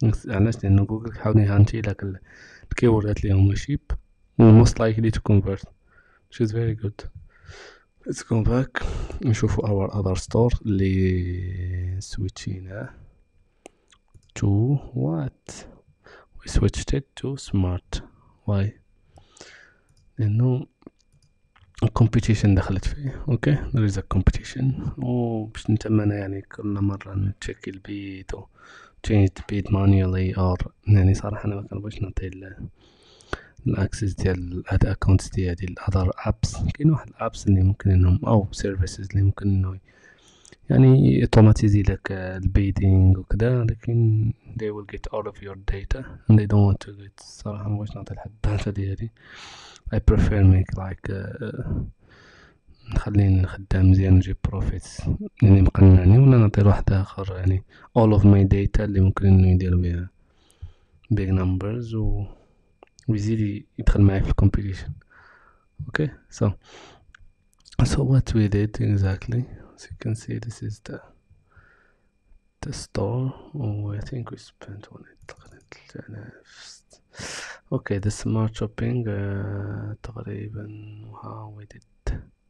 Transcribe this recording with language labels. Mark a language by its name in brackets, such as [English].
[Arabic] علاش؟ لأن جوجل حاول يهانتي لك الكيوردات اللي هما [English] cheap most likely to convert which is very good. Let's go back نشوفوا our other store اللي switching to what we switched it to smart. Why? [Arabic] لأنه competition دخلت فيه. [English] Okay, there is a competition. [Arabic] باش نتمنى يعني كل مرة نتشيك البيت و [English] change the beat manually or [Arabic] يعني صراحة أنا ما كنبغيش نعطي الأكسس ديال هاد الأكونت ديالي الأذر أبس. كاين واحد الأبس اللي ممكن أنهم أو سيرفيسز اللي ممكن أنه يعني يتوماتيزي لك البيدينغ وكذا لكن [English] they will get all of your data and they don't want to get [Arabic] صراحة ما بغيتش نعطي لحد الداتا ديالي. [English] I prefer make like [Arabic] نخليني نخدم مزيان نجيب بروفيتس يعني مقنعني ولا نعطي لواحد آخر يعني [English] all of my data [Arabic] اللي ممكن انه يدير بيها [English] big numbers [Arabic] و يزيد يدخل معي في الكومبيتيشن. [English] Okay so what we did exactly as you can see this is the store oh, I think we spent on it. Okay, the smart shopping تقريبا how we did.